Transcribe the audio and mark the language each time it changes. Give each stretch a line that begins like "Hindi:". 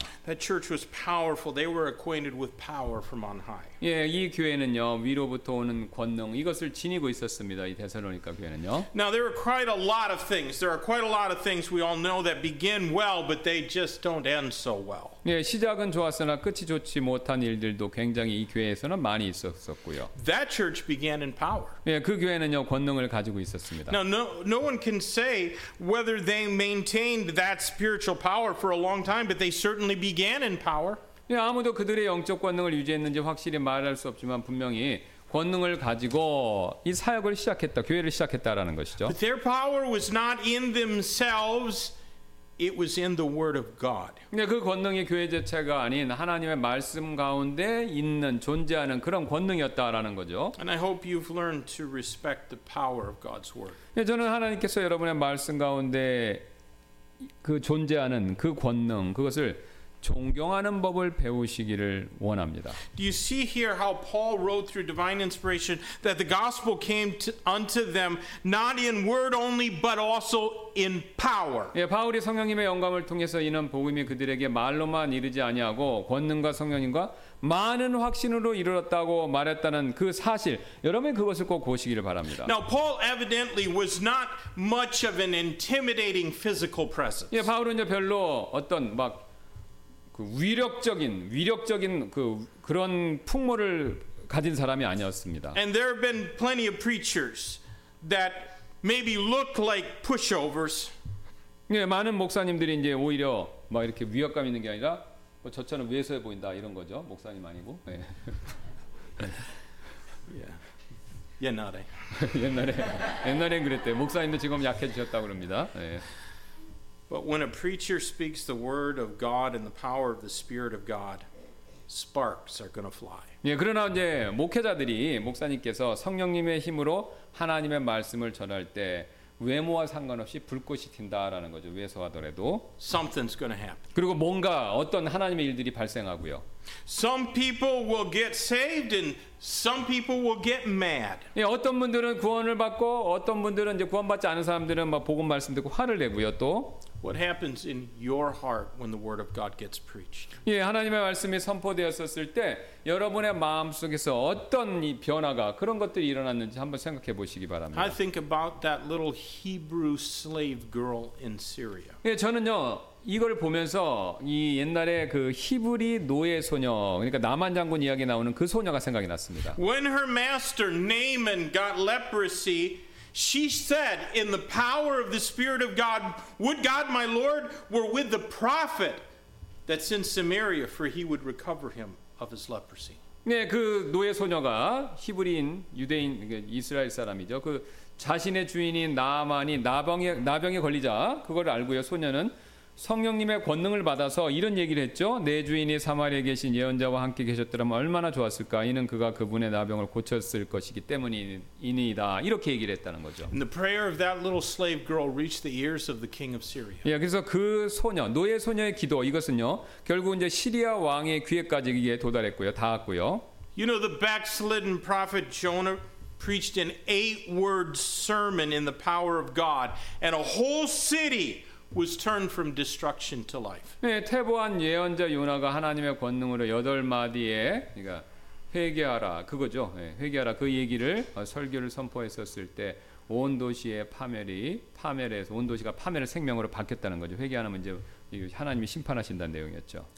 English: That church was powerful. They were acquainted with power from on high.
Korean: 예, 이 교회는요 위로부터 오는 권능 이것을 지니고 있었습니다. 이 데살로니가 교회는요.
English: Now there are quite a lot of things. There are quite a lot of things we all know that begin well, but they just don't end so well.
Korean: 예, 시작은 좋았으나 끝이 좋지 못한 일들도 굉장히 이 교회에서는 많이 있었었고요.
English: That church began in power.
Korean: 예, 그 교회는요 권능을 가지고 있었습니다.
English: Now no one can say whether they maintained that spiritual power for a long time, but they certainly began in power.
Korean: 예, 아무도 그들의 영적 권능을 유지했는지 확실히 말할 수 없지만 분명히 권능을 가지고 이 사역을 시작했다, 교회를 시작했다라는 것이죠.
English: But their power was not in themselves. It was in the word of God.
Korean: 네, 그 권능이 교회 자체가 아닌 하나님의 말씀 가운데 있는 존재하는 그런 권능이었다라는 거죠.
English: And I hope you've learned to respect the power of God's word.
Korean: 네, 저는 하나님께서 여러분의 말씀 가운데 그 존재하는 그 권능 그것을 존경하는 법을 배우시기를 원합니다.
English: Do you see here how Paul wrote through divine inspiration that the gospel came unto them not in word only but also in power?
Korean: 예, 바울이 성령님의 영감을 통해서 이는 복음이 그들에게 말로만 이르지 아니하고 권능과 성령님과 많은 확신으로 이르렀다고 말했다는 그 사실 여러분이 그것을 꼭 보시기를 바랍니다.
English: Now Paul evidently was not much of an intimidating physical presence.
Korean: 예, 바울은 이제 별로 어떤 막 그 위력적인 그런 풍모를 가진 사람이 아니었습니다.
English: And there have been plenty of preachers that maybe look like pushovers.
Korean: 예, 많은 목사님들이 이제 오히려 막 이렇게 위압감 있는 게 아니라 뭐 저처럼 외소해 보인다 이런 거죠. 목사님 아니고. 예. 예. 옛날에. 옛날엔 그랬대요. 목사님도 지금 약해지셨다고 그럽니다. 예.
English: But when a preacher speaks the word of God and the power of the Spirit of God, sparks are going to fly.
Korean: 예, 그러나 이제 목회자들이 목사님께서 성령님의 힘으로 하나님의 말씀을 전할 때 외모와 상관없이 불꽃이 튄다라는 거죠. 외소하더라도.
English: Something's going to happen.
Korean: 그리고 뭔가 어떤 하나님의 일들이 발생하고요.
English: Some people will get saved and some people will get mad.
Korean: 예, 어떤 분들은 구원을 받고 어떤 분들은 이제 구원받지 않은 사람들은 막 복음 말씀 듣고 화를 내고요. 또
English: What happens in your heart when the word of God gets preached?
Korean: 예, 하나님의 말씀이 선포되었었을 때 여러분의 마음속에서 어떤 이 변화가 그런 것들이 일어났는지 한번 생각해 보시기 바랍니다.
English: I think about that little Hebrew slave girl in Syria.
Korean: 예, 저는요. 이걸 보면서 이 옛날에 그 히브리 노예 소녀 그러니까 나만 장군 이야기에 나오는 그 소녀가 생각이 났습니다.
English: When her master Naaman got leprosy, She said, in the power of the Spirit of God, would God, my Lord, were with the prophet that's in Samaria, for he would recover him of his leprosy.
Korean: 네, 그 노예 소녀가 히브리인 유대인 이스라엘 사람이죠. 그 자신의 주인인 나아만이 나병에 걸리자 그걸 알고요 소년은 성령님의 권능을 받아서 이런 얘기를 했죠. 내 주인이 사마리아에 계신 예언자와 함께 계셨더라면 얼마나 좋았을까. 이는 그가 그분의 나병을 고쳤을 것이기 때문이니이다. 이렇게 얘기를 했다는 거죠.
English: And the prayer of that little slave girl reached the ears of the king of Syria.
Korean: 예, 그래서 그 소녀, 노예 소녀의 기도 이것은요. 결국 이제 시리아 왕의 귀에까지 이게 도달했고요. 닿았고요.
English: You know the backslidden prophet Jonah preached an 8-word sermon in the power of God and a whole city was turned from destruction to life.
Korean: 네, 태보한 예언자 요나가 하나님의 권능으로 여덟 마디에 그러니까 회개하라 그거죠. 네, 회개하라 그 얘기를 설교를 선포했었을 때 온 도시의 파멸이 파멸에서 온 도시가 파멸을 생명으로 바뀌었다는 거죠. 회개하면 이제 하나님이 심판하신다는 내용이었죠.